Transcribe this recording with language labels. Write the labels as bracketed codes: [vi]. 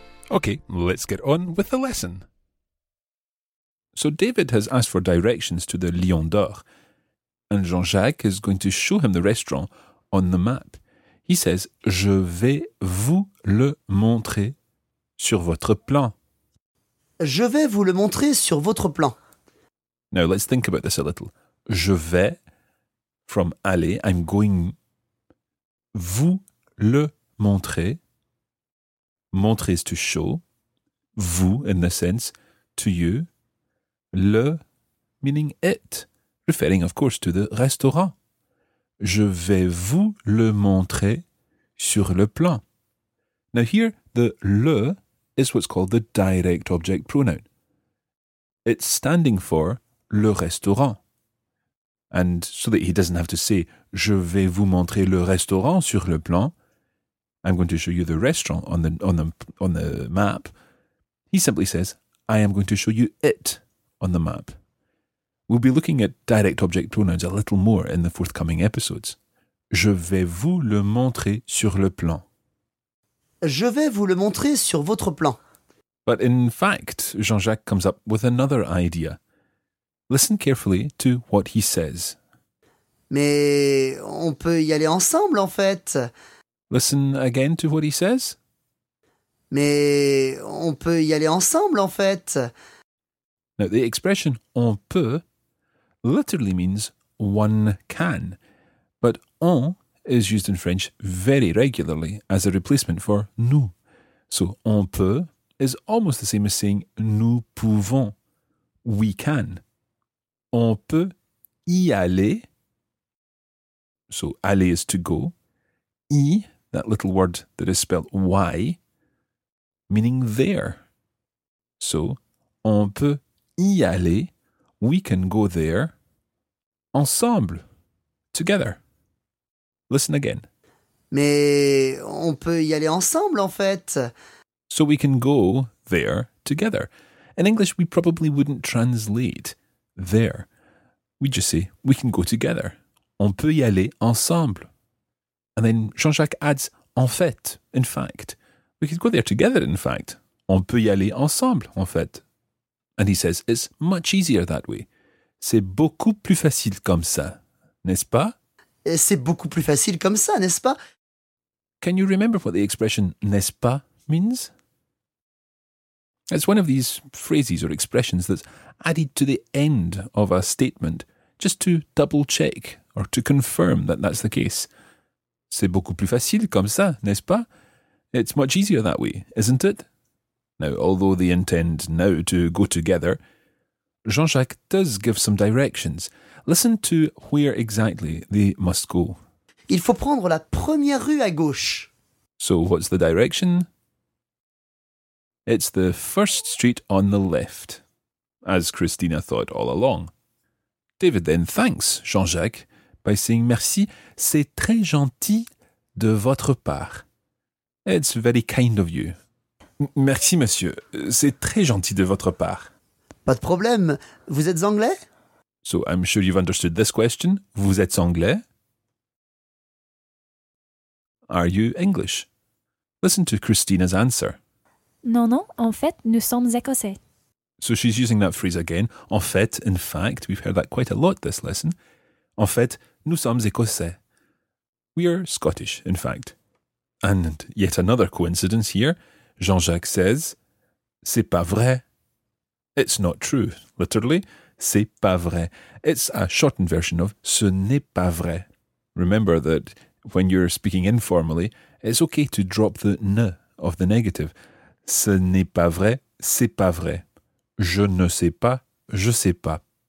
[en] Okay, let's get on with the lesson. So David has asked for directions to the Lion d'Or, and Jean-Jacques is going to show him the restaurant on the map. He says, [fr] je vais vous le montrer sur votre plan. Je vais vous le montrer sur votre plan. [en] Now let's think about this a little. [fr] Je vais, [en] from [fr] aller, [en] I'm going, [fr] vous le montrer. [en] Montrer is to show, vous in the sense, to you, le meaning it, referring of course to the restaurant. [fr] Je vais vous le montrer sur le plan. [en] Now here, the le is what's called the direct object pronoun. It's standing for le restaurant. And so that he doesn't have to say, [fr] je vais vous montrer le restaurant sur le plan, [en] I'm going to show you the restaurant on the map. He simply says, I am going to show you it on the map. We'll be looking at direct object pronouns a little more in the forthcoming episodes. [fr] Je vais vous le montrer sur le plan. Je vais vous le montrer sur votre plan. [en] But in fact, Jean-Jacques comes up with another idea. Listen carefully to what he says. [fr] Mais on peut y aller ensemble, en fait. [en] Listen again to what he says. [fr] Mais on peut y aller ensemble, en fait. [en] Now, the expression [fr] on peut [en] literally means one can. But on is used in French very regularly as a replacement for nous. So on peut is almost the same as saying [fr] nous pouvons, [en] we can. [fr] On peut y aller. [en] So [fr] aller [en] is to go. Y, that little word that is spelled Y, meaning there. So, [fr] on peut y aller, [en] we can go there, [fr] ensemble, [en] together. Listen again. [fr] Mais on peut y aller ensemble, en fait. [en] So we can go there together. In English, we probably wouldn't translate there. We just say, we can go together. [fr] On peut y aller ensemble. [en] And then Jean-Jacques adds, [fr] en fait, [en] in fact. We could go there together, in fact. [fr] On peut y aller ensemble, en fait. [en] And he says, it's much easier that way. [fr] C'est beaucoup plus facile comme ça, n'est-ce pas? C'est beaucoup plus facile comme ça, n'est-ce pas? [en] Can you remember what the expression [fr] n'est-ce pas [en] means? It's one of these phrases or expressions that's added to the end of a statement just to double-check or to confirm that that's the case. [fr] C'est beaucoup plus facile comme ça, n'est-ce pas? [en] It's much easier that way, isn't it? Now, although they intend now to go together, Jean-Jacques does give some directions. Listen to where exactly they must go. [fr] Il faut prendre la première rue à gauche. [en] So, what's the direction? It's the first street on the left, as Christina thought all along. David then thanks Jean-Jacques by saying, [fr] merci, c'est très gentil de votre part. [en] It's very kind of you. [fr] Merci, monsieur, c'est très gentil de votre part. Pas de problème, vous êtes anglais? [en] So I'm sure you've understood this question. [fr] Vous êtes anglais? [en] Are you English? Listen to Christina's answer. [fr] Non, non, en fait, nous sommes écossais. [en] So she's using that phrase again. [fr] En fait, [en] in fact, we've heard that quite a lot this lesson. [fr] En fait, nous sommes écossais. [en] We are Scottish, in fact. And yet another coincidence here. Jean-Jacques says, [fr] C'est pas vrai. [en] It's not true. Literally, [fr] c'est pas vrai. [en] It's a shortened version of [fr] ce n'est pas vrai. [en] Remember that when you're speaking informally, it's okay to drop the ne of the negative. [fr] Ce n'est pas vrai, c'est pas vrai. Je ne sais pas, je sais pas.